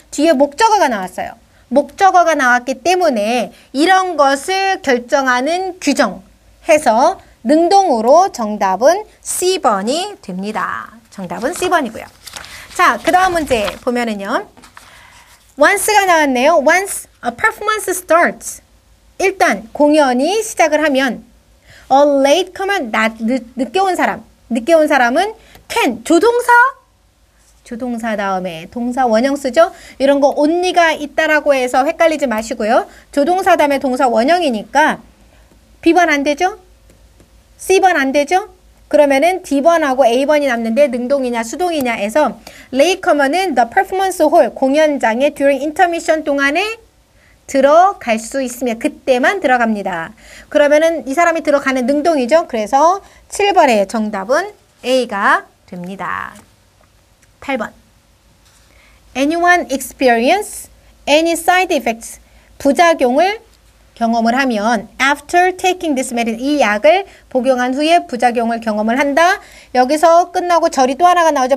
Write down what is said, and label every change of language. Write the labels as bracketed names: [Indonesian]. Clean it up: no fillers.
[Korean] 뒤에 목적어가 나왔어요. 목적어가 나왔기 때문에 이런 것을 결정하는 규정 해서 능동으로 정답은 C번이 됩니다. 정답은 C번이고요. 자, 그 다음 문제 보면은요. Once가 나왔네요. [English] Once a performance starts. [Korean] 일단 공연이 시작을 하면 [English] A latecomer, [Korean] 늦게 온 사람. 늦게 온 사람은 can, 조동사. 조동사 다음에 동사 원형 쓰죠. 이런 거 언니가 있다라고 해서 헷갈리지 마시고요. 조동사 다음에 동사 원형이니까 B번 안 되죠? C번 안 되죠? 그러면은 D번하고 A번이 남는데 능동이냐 수동이냐에서 레이커먼은 [English] the performance hall [Korean] 공연장에 [English] during intermission [Korean] 동안에 들어갈 수 있으면 그때만 들어갑니다. 그러면은 이 사람이 들어가는 능동이죠? 그래서 7번의 정답은 A가 됩니다. 8번. [English] Anyone experience any side effects? [Korean] 부작용을 경험을 하면 [English] after taking this medicine [Korean] 이 약을 복용한 후에 부작용을 경험을 한다. 여기서 끝나고 절이 또 하나가 나오죠.